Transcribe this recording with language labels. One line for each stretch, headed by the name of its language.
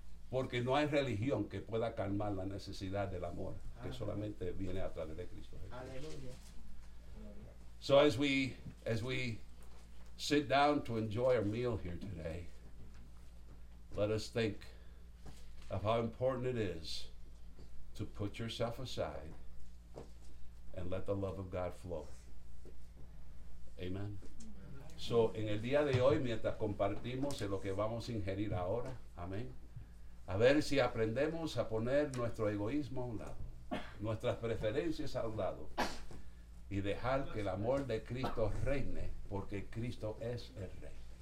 Spanish: Porque no hay religión que pueda calmar la necesidad del amor que solamente viene a través de Cristo Jesús.
English: So as we sit down to enjoy our meal here today, let us think of how important it is to put yourself aside and let the love of God flow. Amen.
Spanish: So, en el día de hoy, mientras compartimos en lo que vamos a ingerir ahora, amén, a ver si aprendemos a poner nuestro egoísmo a un lado, nuestras preferencias a un lado, y dejar que el amor de Cristo reine, porque Cristo es el rey.